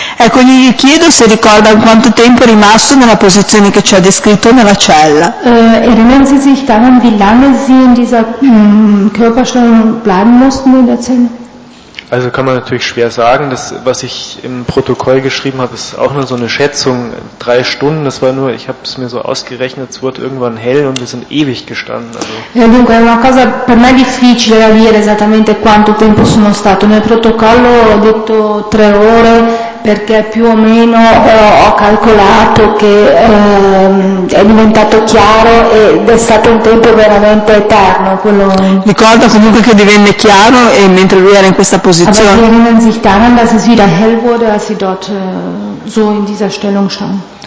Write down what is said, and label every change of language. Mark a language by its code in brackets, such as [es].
[it] quindi gli chiedo se ricorda quanto tempo è rimasto nella posizione che ci ha descritto nella cella. [de] Erinnern Sie sich daran, wie lange Sie in dieser Körperstellung bleiben mussten in der Zelle? Also kann man natürlich schwer sagen, das, was ich im Protokoll geschrieben habe, ist auch nur so eine Schätzung, 3 Stunden, das war nur, ich habe es mir so ausgerechnet, es wurde irgendwann hell und wir sind ewig gestanden. [it] Dunque è una cosa per me difficile da dire esattamente quanto tempo sono stato, nel protocollo ho detto 3 ore, perché più o meno ho calcolato che è diventato chiaro ed è stato un tempo veramente eterno quello. Ricordo comunque che divenne chiaro e mentre lui era in questa posizione. [de] Aber Sie erinnern sich daran, dass es wieder hell wurde, als Sie dort so in dieser Stellung standen?